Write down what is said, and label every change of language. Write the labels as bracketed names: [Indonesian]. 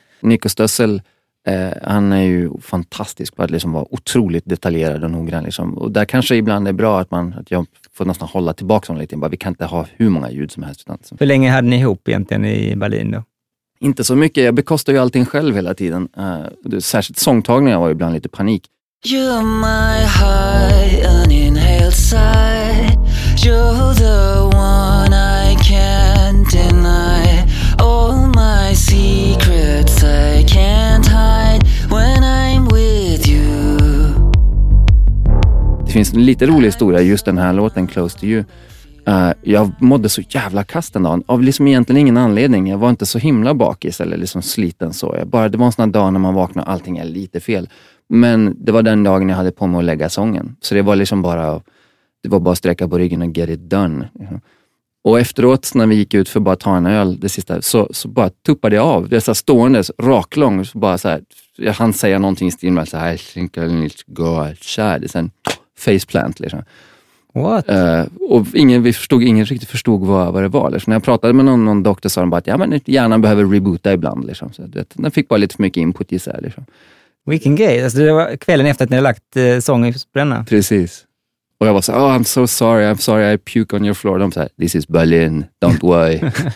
[Swedish] Nico Stössel, han är ju fantastisk på att liksom vara otroligt detaljerad och noggrann liksom. Och där kanske ibland är bra att jag får nästan hålla tillbaka honom lite. Bara, vi kan inte ha hur många ljud som helst. Hur länge hade ni ihop egentligen i Berlin då? Inte så mycket, jag bekostar ju allting själv hela tiden. Särskilt sångtagningar var ju ibland lite panik. [English] You're my high uninhaled sigh. You're the one I can't deny. Secrets I can't hide when I'm with you. [Swedish] Det finns en lite rolig historia just den här låten Close to You. Jag mådde så jävla kast en dag av liksom egentligen ingen anledning. Jag var inte så himla bakis eller liksom sliten så. Bara det var en sån dag när man vaknar och allting är lite fel. Men det var den dagen jag hade på mig att lägga sången. Så det var liksom bara att sträcka på ryggen och [English] get it done. [Swedish] Och efteråt när vi gick ut för bara att ta en öl det sista så bara tuppade jag av. Det så stående raklång så bara så här, jag hann säga någonting i stil med så här, [English] I think I need to go outside. [Swedish] Det är sen faceplant liksom. [English] What? [Swedish] Vi förstod vad det var. Liksom. När jag pratade med någon doktor sa de bara att ja, men hjärnan behöver reboota ibland. Liksom. Så, vet, den fick bara lite för mycket input i sig. Liksom. Vilken grej. Alltså, det var kvällen efter att ni hade lagt sången för spränna. Precis. Och jag var så, [English] oh, I'm so sorry, I puke on your floor. [Swedish] De sa, [English] this is Berlin, don't worry.